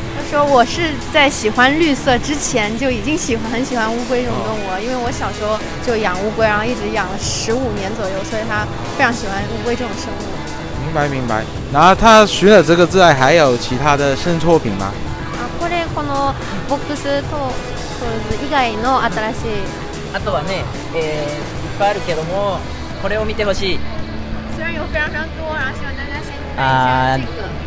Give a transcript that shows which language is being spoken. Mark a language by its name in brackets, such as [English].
[Chinese] 说我是在喜欢绿色之前就已经很喜欢乌龟这种动物了，因为我小时候就养乌龟，然后一直养了15年左右，所以他非常喜欢乌龟这种生物。明白明白。那他除了这个之外，还有其他的新作品吗？ [Japanese] 啊，これこのボックスとそれ以外の新しい。あとはね、いっぱいあるけども、これを見てほしい。 [Chinese] 虽然有非常非常多，然后希望大家先看一下这个。